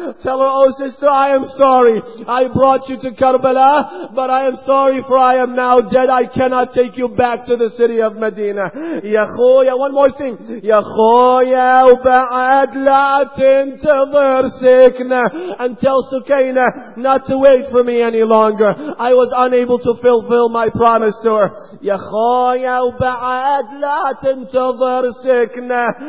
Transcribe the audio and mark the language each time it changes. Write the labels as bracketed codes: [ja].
[en] Tell her, oh sister, I am sorry. I brought you to Karbala, but I am sorry, for I am now dead. I cannot take you back to the city of Medina. [ar] Ya khoya, [en] one more thing. [ar] Ya khoya, وبعد لا تنتظر سكنة. [en] And tell Sukaina not to wait for me any longer. I was unable to fulfill my promise to her. [ar] Ya khoya, وبعد لا تنتظر سكنة.